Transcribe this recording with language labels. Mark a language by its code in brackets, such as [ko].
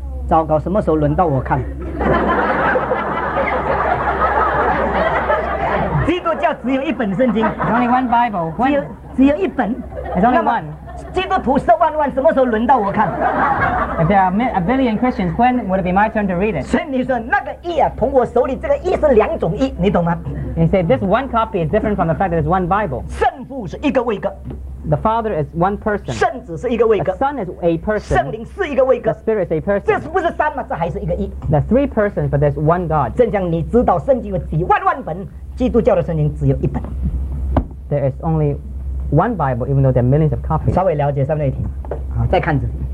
[zh] 糟糕，什么时候轮到我看？基督教只有一本圣经。 [en] It's、only one Bible [zh] 只有一本。 [en] It's、only one。 [zh] 基督徒十万万，什么时候轮到我看 [en] ？If there are a billion Christians, when would it be my turn to read it？ [zh] 所以你说那个一啊，从我手里这个一是两种一，你懂吗？ [en] You say this one copy is different from the fact that it's one Bible. [zh] 圣父是一个位格。 [en] The Father is one person. [zh] 圣子是一个位格。 [en] The Son is a person. [zh] 圣灵是一个位格。 [en] The Spirit is a person. [zh] 这是不是三吗？这还是一个一。 [en] There are three persons, but there's one God. [zh] 正像你知道，圣经有几万万本，基督教的圣经只有一本。 [en] There is only one Bible, even though there are millions of copies. [zh] 稍微了解上面一题，好，再看这里。